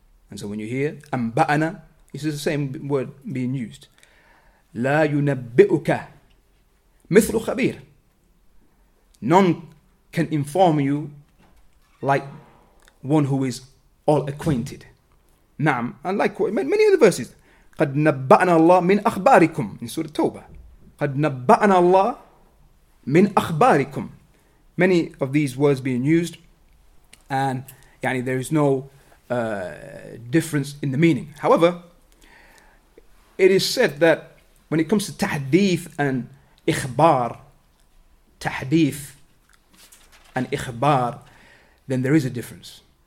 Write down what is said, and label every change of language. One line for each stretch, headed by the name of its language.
English: And so when you hear أنبأنا, this is the same word being used.
Arabic: لا ينبئك مثل خبير.
English: None can inform you like one who is all acquainted. نعم. And like many other verses.
Arabic: قد نبأنا الله من أخباركم.
English: In Surah Tawbah.
Arabic: قد نبأنا الله من أخباركم.
English: Many of these words being used, and يعني there is no difference in the meaning. However, it is said that when it comes to tahdith and ikhbar, tahdith and ikhbar, then there is a difference.